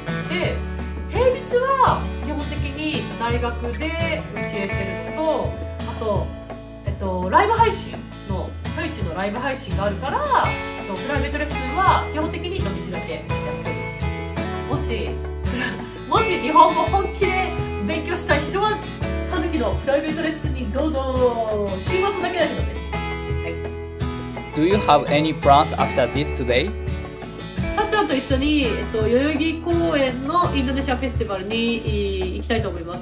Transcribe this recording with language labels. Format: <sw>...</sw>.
<ja>で、平日は基本的に大学で教えてるのと、あと、ライブ配信の、トイチのライブ配信があるから、プライベートレッスンは基本的に土日だけやってる。もし日本語本気で勉強したい人は、たぬきのプライベートレッスンにどうぞ。週末だけだけどね。</ja> <en>Do you have any plans after this today?</en> <ja>さっちゃんと一緒に、代々木公園のインドネシアフェスティバルに行きたいと思います。</ja>